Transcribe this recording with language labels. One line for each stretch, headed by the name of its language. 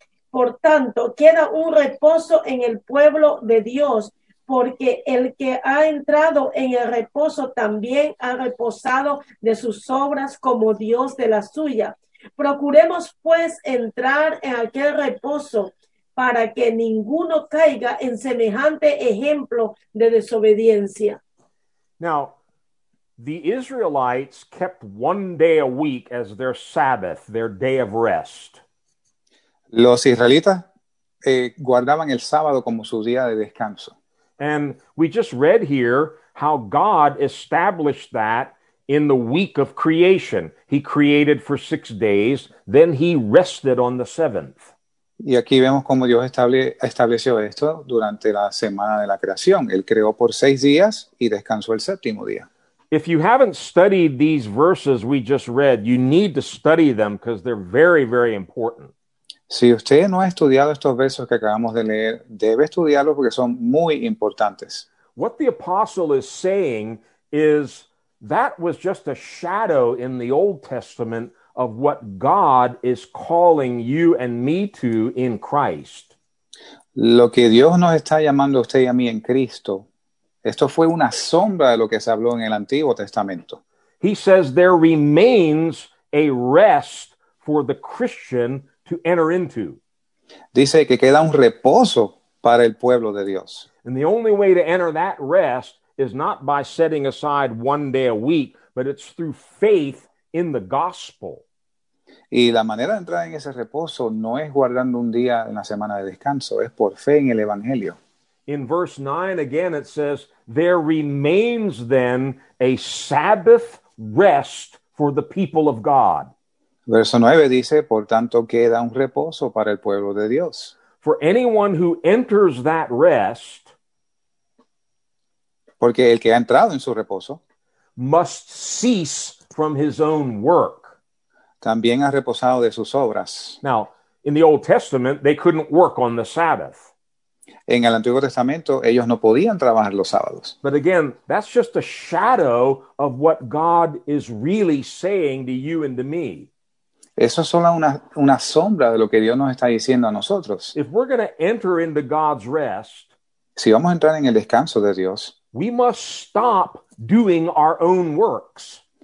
Spanish: Por tanto, queda un reposo en el pueblo de Dios, porque el que ha entrado en el reposo también ha reposado de sus obras como Dios de la suya. Procuremos pues entrar en aquel reposo para que ninguno caiga en semejante ejemplo de desobediencia.
English: Now, the Israelites kept one day a week as their Sabbath, their day of rest.
Spanish: Los israelitas guardaban el sábado como su día de descanso.
English: And we just read here how God established that in the week of creation. He created for 6 days, then he rested on the seventh.
Spanish: Y aquí vemos cómo Dios estableció esto durante la semana de la creación. Él creó por 6 días y descansó el séptimo día.
English: If you haven't studied these verses we just read, you need to study them because they're very, very important.
Spanish: Si usted no ha estudiado estos versos que acabamos de leer, debe estudiarlos porque son muy importantes.
English: What the apostle is saying is, that was just a shadow in the Old Testament of what God is calling you and me to in Christ.
Spanish: Lo que Dios nos está llamando a usted y a mí en Cristo, esto fue una sombra de lo que se habló en el Antiguo Testamento.
English: He says there remains a rest for the Christian to enter into.
Spanish: Dice que queda un reposo para el pueblo de Dios.
English: And the only way to enter that rest is not by setting aside one day a week, but it's through faith in the gospel.
Spanish: Y la manera de entrar en ese reposo no es guardando un día en la semana de descanso, es por fe en el evangelio.
English: In verse 9, again, it says, there remains then a Sabbath rest for the people of God.
Spanish: Verso 9 dice, por tanto, queda un reposo para el pueblo de Dios.
English: For anyone who enters that rest,
Spanish: porque el que ha entrado en su reposo,
English: must cease from his own work.
Spanish: También ha reposado de sus obras.
English: Now, in the Old Testament, they couldn't work on the Sabbath.
Spanish: En el Antiguo Testamento, ellos no podían trabajar los sábados.
English: But again, that's just a shadow of what God is really saying to you and to me.
Spanish: Eso es solo una sombra de lo que Dios nos está diciendo a nosotros.
English: If we're going to enter into God's rest,
Spanish: si vamos a entrar en el descanso de Dios,
English: we must stop doing our own works.